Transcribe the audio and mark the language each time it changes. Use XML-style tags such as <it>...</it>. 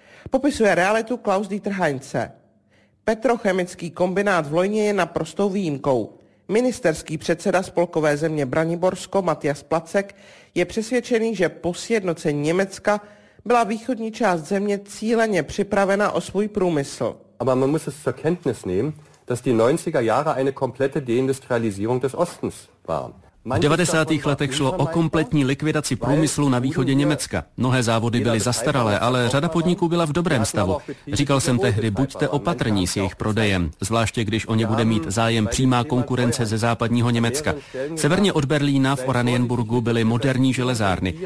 <cs>Popisuje realitu Klaus-Dieter Heinze. Petrochemický kombinát v Lojně je naprostou výjimkou. Ministerský předseda spolkové země Braniborsko Matias Placek je přesvědčený, že po sjednocení Německa byla východní část země cíleně připravena o svůj průmysl.</cs> <de>Aber man muss es zur Kenntnis nehmen, dass die 90er Jahre eine komplette Deindustrialisierung des Ostens war.</de> <cs>V 90. letech šlo o kompletní likvidaci průmyslu na východě Německa. Mnohé závody byly zastaralé, ale řada podniků byla v dobrém stavu. Říkal jsem tehdy, buďte opatrní s jejich prodejem, zvláště když o ně bude mít zájem přímá konkurence ze západního Německa. Severně od Berlína v Oranienburgu byly moderní železárny.</cs>